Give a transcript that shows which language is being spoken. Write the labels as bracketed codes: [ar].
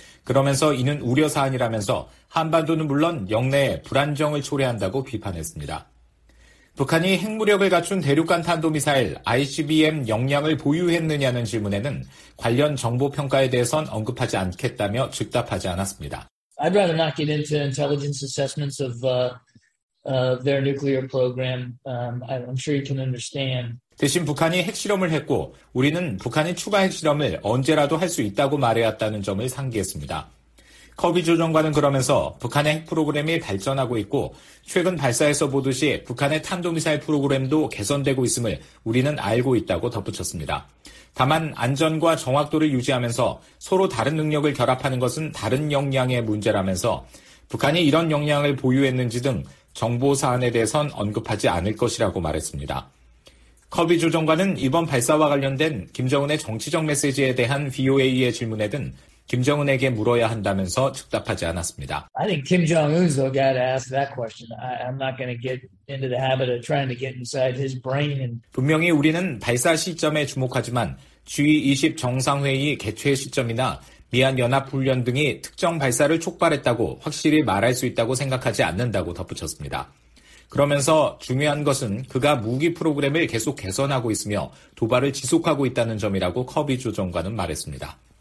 [ko] 그러면서 이는 우려사항이라면서 한반도는 물론 역내에 불안정을 초래한다고 비판했습니다. 북한이 핵무력을 갖춘 대륙간 탄도미사일 ICBM 역량을 보유했느냐는 질문에는 관련 정보 평가에 대해선 언급하지 않겠다며 즉답하지 않았습니다. [en] I'd rather not get into intelligence assessments of their nuclear program. I'm sure you can understand. [ko] 대신 북한이 핵실험을 했고 우리는 북한이 추가 핵실험을 언제라도 할 수 있다고 말해왔다는 점을 상기했습니다. 커비 조정관은 그러면서 북한의 핵 프로그램이 발전하고 있고 최근 발사에서 보듯이 북한의 탄도미사일 프로그램도 개선되고 있음을 우리는 알고 있다고 덧붙였습니다. 다만 안전과 정확도를 유지하면서 서로 다른 능력을 결합하는 것은 다른 역량의 문제라면서 북한이 이런 역량을 보유했는지 등 정보 사안에 대해선 언급하지 않을 것이라고 말했습니다. 커비 조정관은 이번 발사와 관련된 김정은의 정치적 메시지에 대한 VOA의 질문에 든 김정은에게 물어야 한다면서 즉답하지 않았습니다. [en] I think Kim Jong-un's the guy to ask that question. I'm not going to get into the habit of trying to get inside his brain. [ko] 분명히 우리는 발사 시점에 주목하지만 G20 정상회의 개최 시점이나 미한 연합훈련 등이 특정 발사를 촉발했다고 확실히 말할 수 있다고 생각하지 않는다고 덧붙였습니다. 그러면서 중요한 것은 그가 무기 프로그램을 계속 개선하고 있으며 도발을 지속하고 있다는 점이라고 커비 조정관은 말했습니다.